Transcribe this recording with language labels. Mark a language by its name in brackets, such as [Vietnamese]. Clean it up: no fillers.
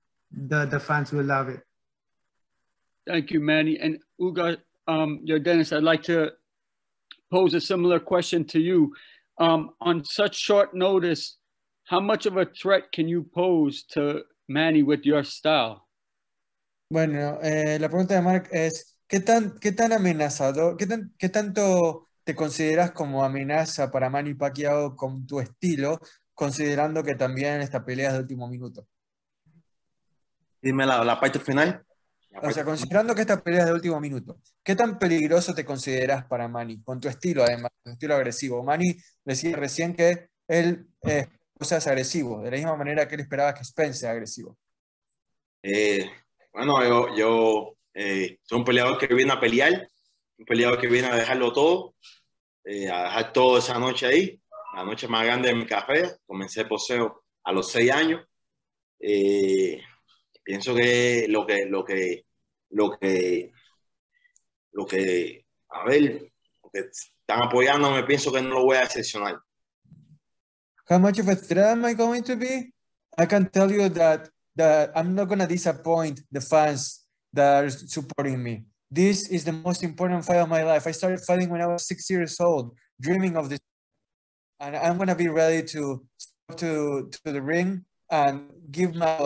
[English] the fans will love it. Thank you, Manny. And Uga, Dennis, I'd like to pose a similar question to you. On such short notice, how much of a threat can you pose to Manny with your style? [Spanish] Bueno, la pregunta de Mark es, ¿qué tan amenazado, qué tanto te consideras como amenaza para Manny Pacquiao con tu estilo, considerando que también esta pelea es de último minuto? Dime la parte final. O sea, considerando que esta pelea es de último minuto, ¿qué tan peligroso te consideras para Manny? Con tu estilo, además, tu estilo agresivo. Manny decía recién que él seas agresivo, de la misma manera que él esperaba que Spence sea agresivo. Bueno, yo soy un peleador que viene a pelear, un peleador que viene a dejarlo todo, a dejar todo esa noche ahí, la noche más grande de mi carrera. Comencé el boxeo a los 6 años. Pienso que lo que están apoyándome, pienso que no lo voy a decepcionar. [English] How much of a threat am I going to be? I can tell you that I'm not going to disappoint the fans that are supporting me. This is the most important fight of my life. I started fighting when I was 6 years old, dreaming of this. And I'm going to be ready to step to the ring and give my all.